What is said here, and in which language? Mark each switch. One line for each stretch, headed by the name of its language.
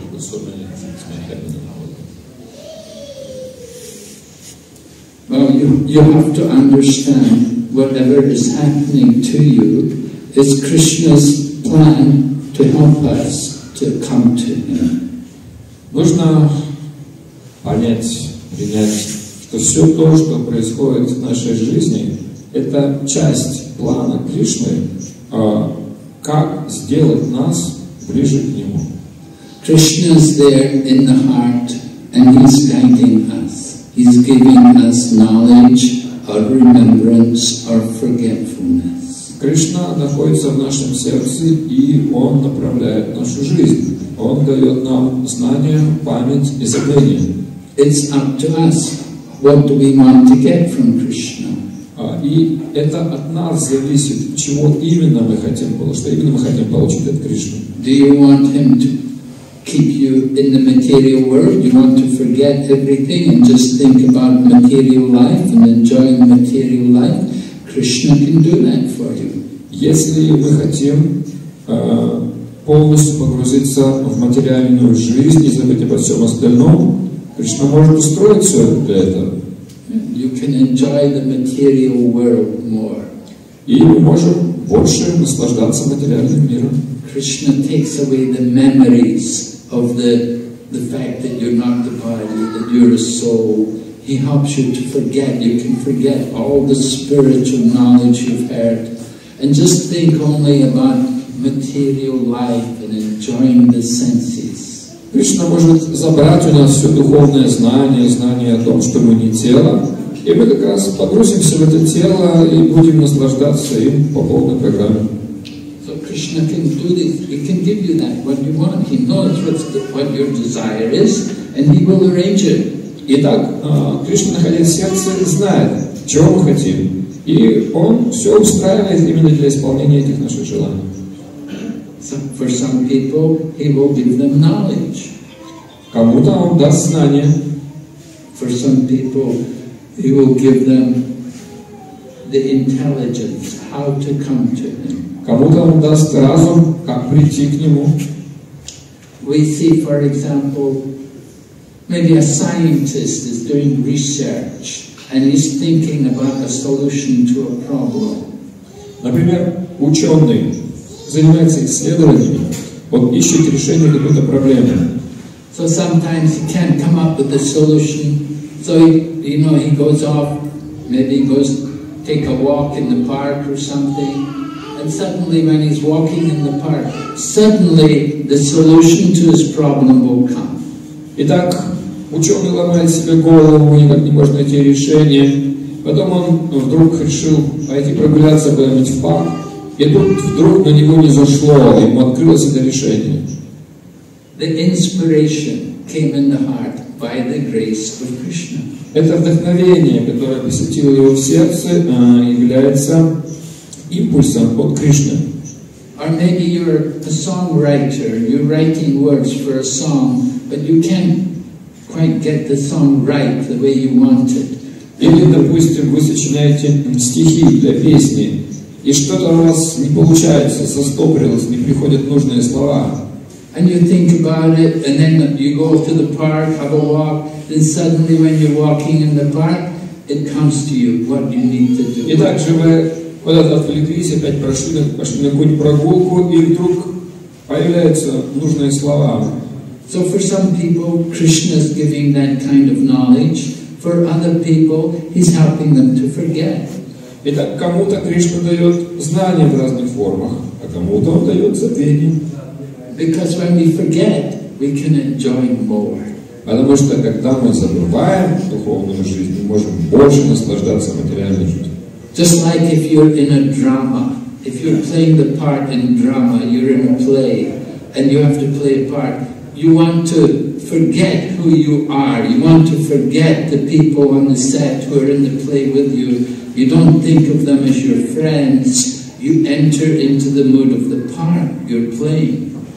English: Because so many things may happen in our life. Well, you have to understand whatever is happening to you is Krishna's plan to help us to come to him.
Russian: Нужно понять, принять, что все то, что происходит в нашей жизни, это часть плана Кришны, как сделать нас ближе к Нему.
English: Krishna is there in the heart, and He's guiding us. He's giving us knowledge, or remembrance, or forgetfulness.
Russian: Кришна находится в нашем сердце, и Он направляет нашу жизнь. Он дает нам знания, память и забвение.
English: It's up to us. What do we want to get from Krishna?
Russian: И это от нас зависит, чего именно мы хотим получить, что именно мы хотим получить от Кришны.
English: Do you want him to keep you in the material world? You want to forget everything and just think about material life and enjoy material life? Krishna can do that for you.
Russian: Если мы хотим полностью погрузиться в материальную жизнь и забыть обо всем остальном, Кришна может устроить все для этого.
English: You can enjoy the material world more.
Russian: И мы можем больше наслаждаться материальным миром.
English: Krishna takes away the memories of the fact that you're not the body, that you're a soul. He helps you to forget. You can forget all the spiritual knowledge you've had and just think only about material life and enjoying the senses.
Russian: Кришна может забрать у нас все духовное знание, знание о том, что мы не тело, и мы как раз погрузимся в это тело и будем наслаждаться им по полной программе.
English: So Krishna can do this. He can give you that what you want. He knows what your desire is, and he will arrange it.
Russian: Итак, Кришна, находясь в сердце, знает, чего мы хотим, и он все устраивает именно для исполнения этих наших желаний.
English: For some people, he will give them knowledge.
Russian: Кому-то он даст знания.
English: For some people, he will give them the intelligence, how to come to him.
Russian: Кому-то он даст разум, как прийти к нему.
English: We see, for example, maybe a scientist is doing research and he's thinking about a solution to a problem.
Russian: Например, ученый занимается исследованиями, он ищет решение какой-то проблемы.
English: So sometimes he can't come up with a solution, so he goes off, maybe he goes take a walk in the park or something, and suddenly when he's walking in the park, suddenly the solution to his problem will come.
Russian: Итак, ученый ломает себе голову, никак не может найти решение, потом он вдруг решил пойти прогуляться куда-нибудь в парк, и тут вдруг на него не зашло, ему открылось это решение.
English: The inspiration came in the heart by the grace of Krishna.
Russian: Это вдохновение, которое посетило его в сердце, является импульсом от Кришны.
English: Or maybe you're a songwriter, you're writing words for a song, but you can't quite get the song right the way you want it.
Russian: Или, допустим, вы сочиняете стихи для песни, и что-то у вас не получается, застопорилось, не приходят нужные слова.
English: And you think about it, and then you go to the park, have a walk, and suddenly when you're walking in the park, it comes to you what you need to do.
Russian: И также вы куда-то отвлеклись, опять пошли на какую-нибудь прогулку, и вдруг появляются нужные слова.
English: So for some people, Krishna is giving that kind of knowledge. for other people, he's helping them to forget.
Russian: Итак, кому-то Кришна дает знания в разных формах, а кому-то он дает забвение.
English: Because when we forget, we can enjoy more.
Russian: Потому что когда мы забываем духовную жизнь, мы можем больше наслаждаться материальной жизнью.
English: Just like if you're in a drama, if you're playing the part in drama, you're in a play, and you have to play a part. You want to forget who you are. You want to forget the people on the set who are in the play with you. You don't think of them as your friends. You enter into the mood of the part you're playing.